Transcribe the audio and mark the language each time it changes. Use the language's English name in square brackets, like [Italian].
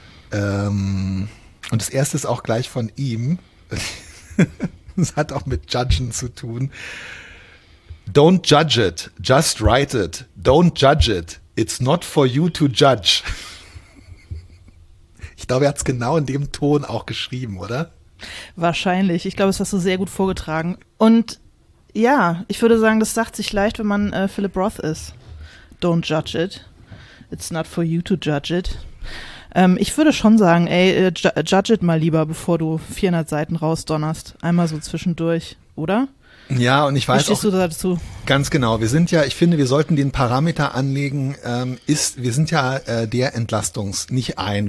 [German] Und das erste ist auch gleich von ihm. Das hat auch mit Judgen zu tun. [English] Don't judge it, just write it. Don't judge it, it's not for you to judge. [German] Ich glaube, er hat es genau in dem Ton auch geschrieben, oder? Wahrscheinlich. Ich glaube, es hast du sehr gut vorgetragen. Und ja, ich würde sagen, das sagt sich leicht, wenn man Philip Roth ist. [English] Don't judge it, it's not for you to judge it. [German] Ich würde schon sagen, ey, [English] judge it [German] mal lieber, bevor du 400 Seiten rausdonnerst. Einmal so zwischendurch, oder? Ja, und ich weiß auch. Stehst du dazu? Ganz genau. Wir sind ja, ich finde, wir sollten den Parameter anlegen, wir sind ja der Entlastungs-, nicht ein.